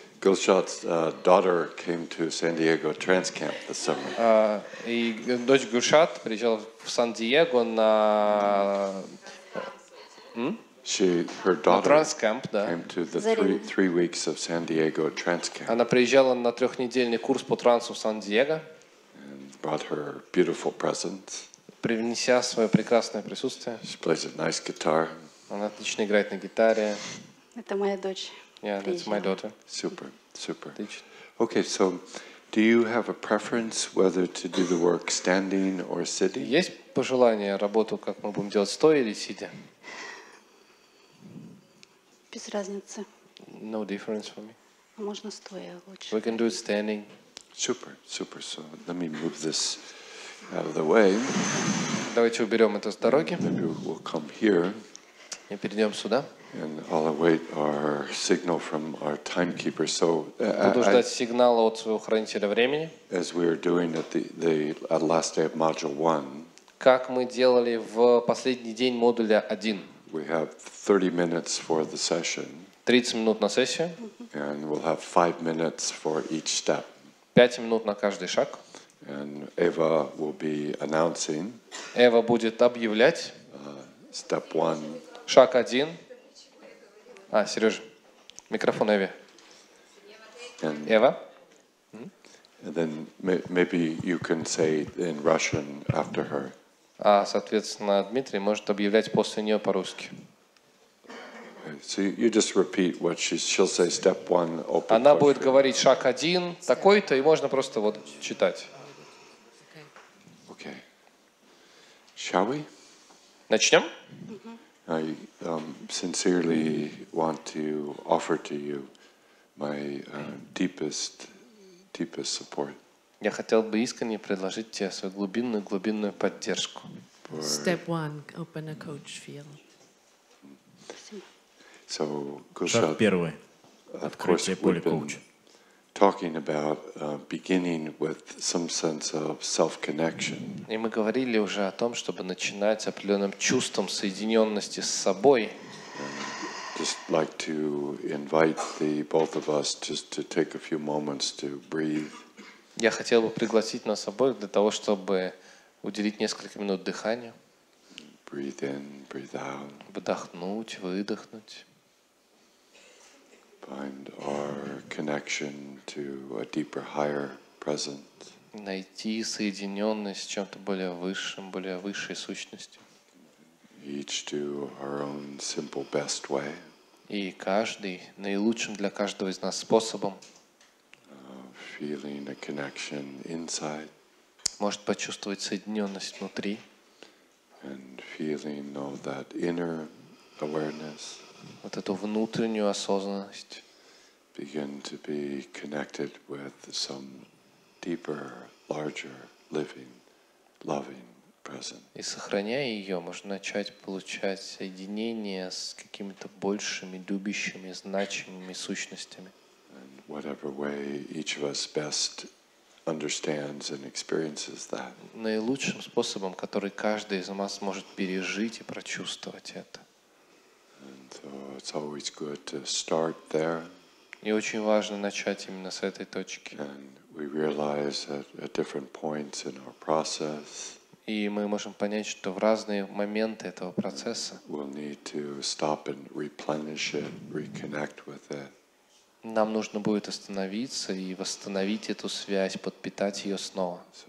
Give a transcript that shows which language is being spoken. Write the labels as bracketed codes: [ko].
[en] Gulshot's daughter came to San Diego trans camp this summer. [ru] И дочь Гульшат приезжала в Сан-Диего на [en] Her daughter came to the three weeks of San Diego trance camp. [ru] Она приезжала на трехнедельный курс по трансу в Сан-Диего. [en] Brought her beautiful presence. [ru] Принеся свое прекрасное присутствие. [en] She plays a nice guitar. [ru] Она отлично играет на гитаре. Это моя дочь. [en] Yeah, that's my daughter. Super, super. Okay, so do you have a preference whether to do the work standing or sitting? [ru] Есть пожелание работу, как мы будем делать, стоя или сидя? Без разницы. [en] No difference for me. [ru] Можно стоя лучше. [en] We can do it standing. Super, super. So let me move this out of the way. [ru] Давайте уберем это с дороги. [en] Maybe we'll come here. [ru] И перейдем сюда. [en] And I'll await our signal from our timekeeper. So [ru] буду ждать сигнала от своего хранителя времени. [en] As we are doing at the last day of module one. [ru] Как мы делали в последний день модуля один. [en] We have 30 minutes for the session. [ru] 30 минут на сессию. [en] And we'll have 5 minutes for each step. [ru] 5 минут на каждый шаг. [en] And Eva will be announcing. [ru] Eva будет объявлять. [en] Step one. [ru] Шаг один. А, Сережа, микрофон Эве. Eva. [en] And then maybe you can say in Russian after her. [ru] А, соответственно, Дмитрий может объявлять после нее по-русски. [en] So you just repeat what she'll say. Step one. Open. Она question. [ru] Будет говорить шаг один такой-то и можно просто вот читать. [en] Okay. Shall we? [ru] Начнем. [en] I sincerely want to offer to you my deepest support. [ru] Я хотел бы искренне предложить тебе свою глубинную поддержку. [en] Step one. Open a coach field. So, Talking about beginning with some sense of self-connection. [ru] И мы говорили уже о том, чтобы начинать с определенным чувством соединенности с собой. [en] Just like to invite the both of us just to take a few moments to breathe. [ru] Я хотел бы пригласить нас обоих для того, чтобы уделить несколько минут дыханию. [en] Breathe in, breathe out. [ru] Вдохнуть, выдохнуть. [en] Find our connection to a deeper, higher presence. [ru] Найти соединенность с чем-то более высшим, более высшей сущностью. [en] Each to our own simple best way. [ru] И каждый наилучшим для каждого из нас способом. [en] Feeling a connection inside. [ru] Может почувствовать соединенность внутри. [en] And feeling of that inner awareness. [ru] Вот эту внутреннюю осознанность. [en] Begin to be connected with some deeper, larger, living, loving presence. [ru] И сохраняя ее, можно начать получать соединение с какими-то большими, любящими, значимыми сущностями. [en] And whatever way each of us best understands and experiences that. [ru] Наилучшим способом, который каждый из нас может пережить и прочувствовать это. [en] And so it's always good to start there. [ru] И очень важно начать именно с этой точки. И мы можем понять, что в разные моменты этого процесса нам нужно будет остановиться и восстановить эту связь, подпитать ее снова.